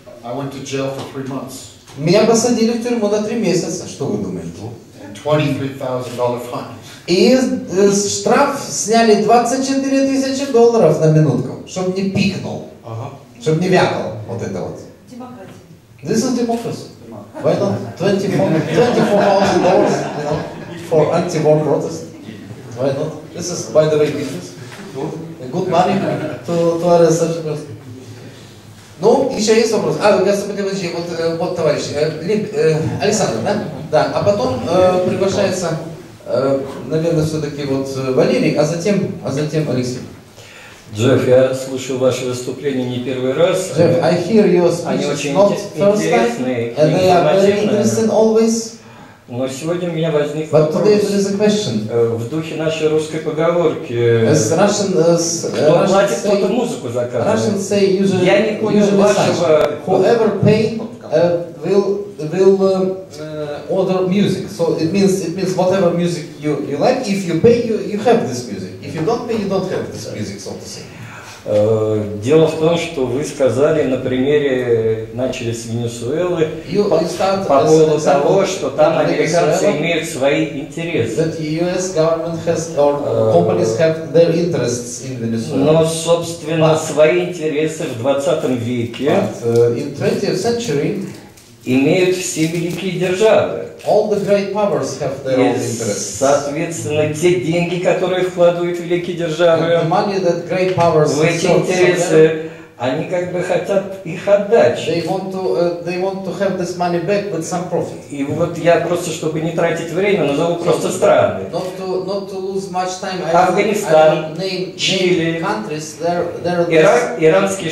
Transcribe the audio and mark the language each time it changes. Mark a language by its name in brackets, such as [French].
[English] I went to jail for 3 months. [Russian] Меня посадили в тюрьму на 3 месяца. Что вы думаете? [English] And $23,000 fine. [Russian] И штраф сняли $24,000 на минутку, чтобы не пикнул, чтобы не вякал вот это вот. Демократия. [English] This is democracy. Why not $24,000, you know, for anti-war protest? Why not? This is, by the way, business. Good money to arrest such a person. [Russian] Ну, еще есть вопрос. А, господин Владимир, вот товарищ, Александр, да? Да, а потом приглашается... Наверное, все-таки вот Валерий, а затем Алексей. Джефф, я слушаю ваше выступление не первый раз. [English] Джефф, I hear your speech. [Russian] Они очень интересные, [English] and they are very interesting always. [Russian] Но сегодня у меня возник [English] but [Russian] вопрос. [English] Today there is a question. [Russian] В духе нашей русской поговорки. [English] As Russian, [Russian] кто платит, тот и музыку заказывает. [English] Russian say usually, [Russian] я не понял вашего. [English] Whoever pay will order music. So it means whatever music you like, if you pay, you have this music. If you don't pay, you don't have this music, so to say. [Russian] Дело в том, что вы сказали на примере, начали с Венесуэлы, по поводу того, что там американцы имеют свои интересы. [English] That US government has, or companies have their interests in Venezuela. [Russian] Но, собственно, свои интересы в 20 веке. [English] But in 20th century, [Russian] имеют все великие державы. [English] All the great powers have their own interests. [Russian] Соответственно, те деньги, которые вкладывают великие державы, [English] the money that great powers [Russian] в эти интересы, они как бы хотят их отдать. [English] They want to have this money back with some profit. [Russian] И вот я просто, чтобы не тратить время, назову просто страны. [English] Not to lose much time. [Russian] Афганистан, Чили, Ирак, иранский